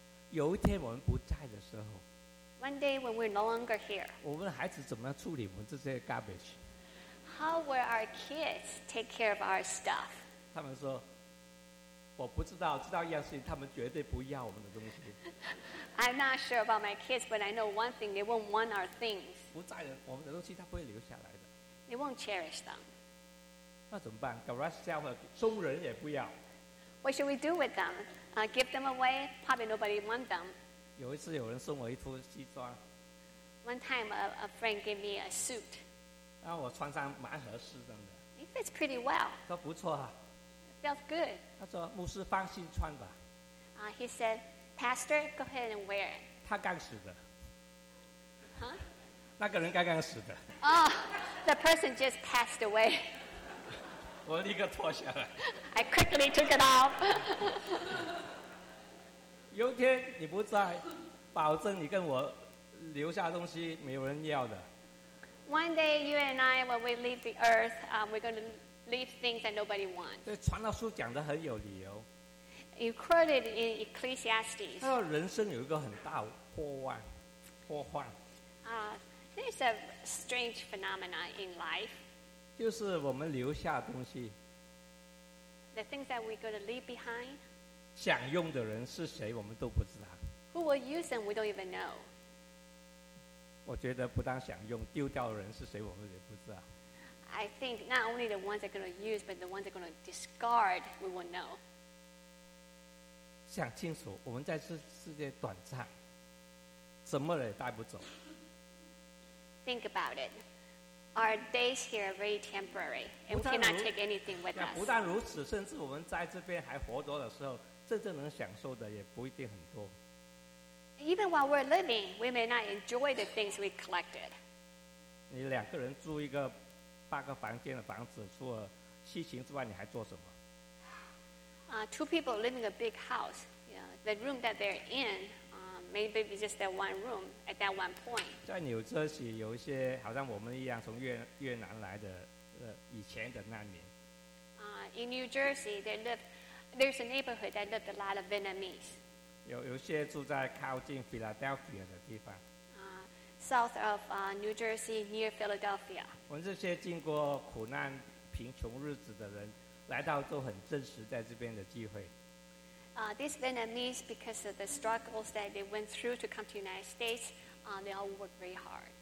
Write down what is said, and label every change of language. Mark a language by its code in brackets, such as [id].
[zh] 有一天我们不在的时候 [en] ，One day when we're no longer here， [zh] 我们的孩子怎么样处理我们这些 garbage？ [en] How will our kids take care of our stuff? [zh] 他们说，我不知道，知道一样事情，他们绝对不要我们的东西。 [en] I'm not sure about my kids, but I know one thing: they won't want our things. [zh] 不在的我们的东西，他不会留下来的。 [en] They won't cherish them. [zh] 那怎么办 ？ [en] Garage sale [zh] 送人也不要。 [en] What should we do with them? Give them away? Probably nobody wants them. [zh] 有一次有人送我一套西装。 [en] One time, a friend gave me a suit. [zh] 然后我穿上蛮合适的。 [en] It fits pretty well. [zh] 说不错啊。 [en] Feels good. [zh] 他说牧师放心穿吧。 [en] He said, Pastor, go ahead and wear it. [zh] 他刚死的。 [en] Huh? [zh] 那个人刚刚死的。 [en] Oh, the person just passed away. [zh] 我立刻脱下来。 [en] I quickly took it off. [zh] 有一天你不在，保证你跟我留下东西没有人要的。 [en] One day, you and I, when we leave the earth, we're going to leave things that nobody wants. [zh] 对，传道书讲得很有理由。 [en] You quoted in Ecclesiastes. [zh] 他说人生有一个很大祸患，祸患。 [en] There's a strange phenomenon in life. [zh] 就是我们留下东西。 [en] The things that we're going to leave behind. [zh] 想用的人是谁，我们都不知道。 [en] Who will use them, we don't even know. [zh] 我觉得不但想用，丢掉的人是谁，我们也不知道。 [en] I think not only the ones that are going to use, but the ones that are going to discard, we won't know. [zh] 想清楚，我们在这世界短暂，什么也带不走。 [en] Think about it. Our days here are very temporary, and we cannot take anything with us. [zh] 不但如此，甚至我们在这边还活着的时候，真正能享受的也不一定很多。 [en] Even while we're living, we may not enjoy the things we collected. [zh] 你两个人住一个八个房间的房子，除了西行之外，你还做什么？ [en] Two people living a big house, yeah, the room that they're in, maybe it's just that one room at that one point. [zh] 在纽泽西有一些好像我们一样从越南来的以前的难民。 [en] In New Jersey, there's a neighborhood that lived a lot of Vietnamese. [zh] 有些住在靠近 Philadelphia 的地方。 [en] South of New Jersey, near Philadelphia. [zh] 我们这些经过苦难、贫穷日子的人，来到都很珍惜在这边的机会。 [en] These Vietnamese, because of the struggles that they went through to come to the United States, they all worked very hard.